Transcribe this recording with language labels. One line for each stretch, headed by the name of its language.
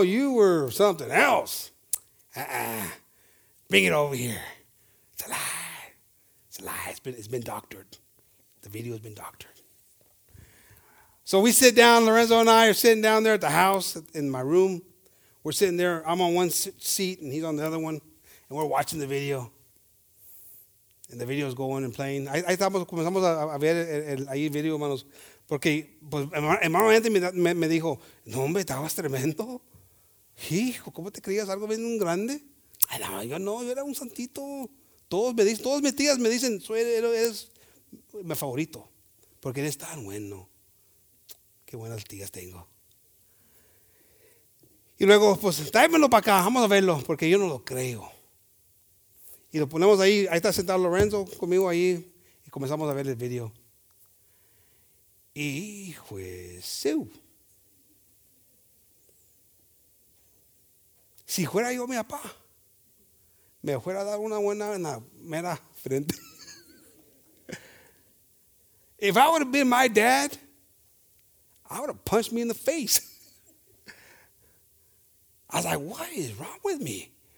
English: You were something else. Bring it over here. It's a lie. It's a lie. It's been doctored. The video has been doctored. So we sit down. Lorenzo and I are sitting down there at the house in my room. We're sitting there. I'm on one seat, and he's on the other one, and we're watching the video. And the video is going and playing.
Spanish: Ahí estamos, comenzamos a ver ahí video, hermanos. Porque pues, hermano Anthony me dijo, no hombre, estabas tremendo. Hijo, ¿cómo te creías algo bien grande? Ay, no, yo no, yo era un santito. Todos mis tías me dicen, eres mi favorito. Porque eres tan bueno. Qué buenas tías tengo. Y luego, pues, tráemelo para acá, vamos a verlo, porque yo no lo creo. Y lo ponemos ahí, ahí está sentado Lorenzo conmigo ahí, y comenzamos a ver el video. Hijo de su. Si fuera yo mi papá, me fuera a dar una buena en la mera frente.
English: If I would have been my dad, I would have punched me in the face. I was like, what is wrong with me?